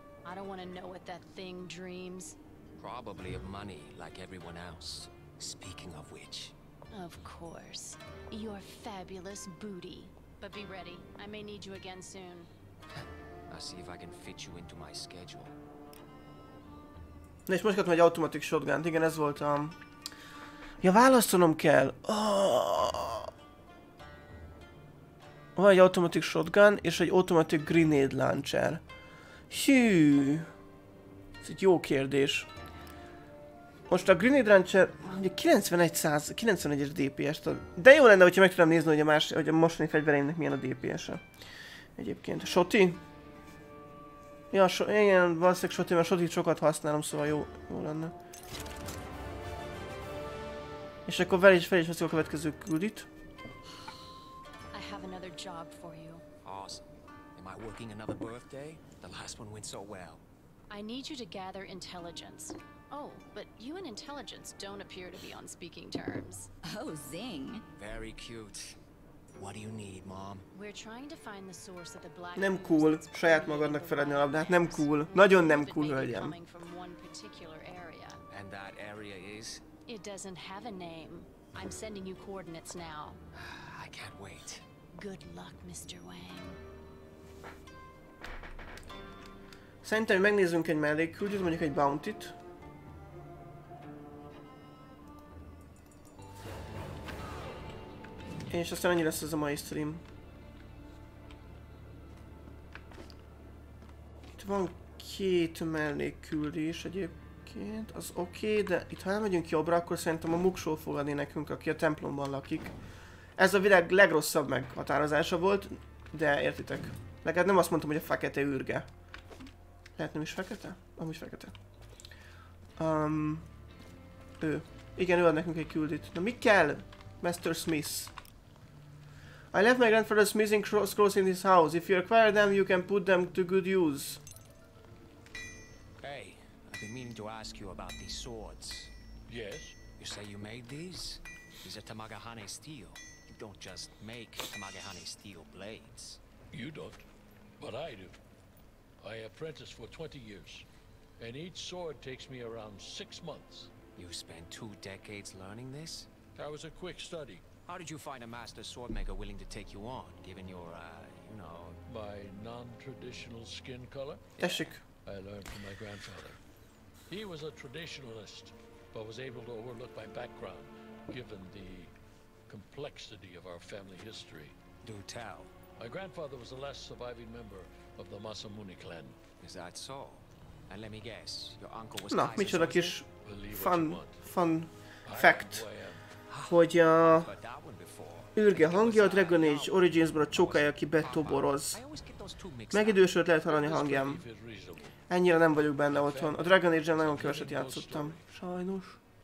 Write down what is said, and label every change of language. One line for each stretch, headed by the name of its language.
English: I don't want to know what that thing dreams. Probably of money, like everyone else. Speaking of which. Of course. Your fabulous booty. But be ready. I may need you again soon. I'll see if I can fit you into my schedule.
Hungarian: Na és most kaptam egy automatic shotgun-t. Igen, ez volt a... Ja, választanom kell! Oh! Van egy automatic shotgun és egy automatic grenade launcher. Hű! Ez egy jó kérdés. Most a grenade launcher... Ugye 91%-es DPS-t ad. De jó lenne, hogyha meg tudom nézni, hogy a más, hogy a mostani fegyvereimnek milyen a DPS-e. Egyébként. Shoti? Ja, igen, valószínűleg Shoti, mert Shotit sokat használom, szóval jó lenne. És akkor fel is veszik a következő küldit.
English: I have another job for you. Awesome. Am I working another birthday? The last one went so well. I need you to gather intelligence. Oh, but you and intelligence don't appear to be on speaking terms. Oh, zing. Very cute. What do you need, mom? We're trying to find the source of the black.
Hungarian: Nem cool, saját magadnak feladni a labdát, nem cool. Nagyon nem cool, hölgyem.
English: And that area is? It doesn't have a name. I'm sending you coordinates now. I can't wait. Good luck, Mr. Wang.
Hungarian: Szerintem megnézzünk egy mellékküldet, mondjuk egy bountyt. És aztán ennyi lesz ez a mai stream. Itt van két mellékküldés egyébként, az oké, okay, de itt ha elmegyünk jobbra, akkor szerintem a Muksó fogadni nekünk, aki a templomban lakik. Ez a világ legrosszabb meghatározása volt, de értitek. Legalább nem azt mondtam, hogy a fekete űrge. Lehet nem is fekete? Amúgy fekete. Ő. Igen, ő ad nekünk egy küldit. Na mi kell? Master Smith.
English: I left my grandfather's missing scrolls in his house. If you acquire them, you can put them to good use. Hey, I've been meaning to ask you about these swords. Yes? You say you made these? These are Tamagahane steel. You don't just make Tamagahane steel blades. You don't, but I do. I apprenticed for 20 years, and each sword takes me around 6 months. You spent 2 decades learning this? That was a quick study. How did you find a master swordmaker willing to take you on, given your, you know... My non-traditional skin color?
Hungarian: Tessék.
English: I learned from my grandfather. He was a traditionalist, but was able to overlook my background, given the complexity of our family history. Do tell. My grandfather was the last surviving member of the Masamune clan. Is that so? And let me guess, your uncle was...
Hungarian: Na, micsoda kis... fun... fact. hogy a űrge hangja a Dragon Age Origins-ből a csokája, aki betoboroz. Megidősült lehet hallani hangjam. Ennyire nem vagyok benne otthon. A Dragon Age-en nagyon keveset játszottam. Sajnos.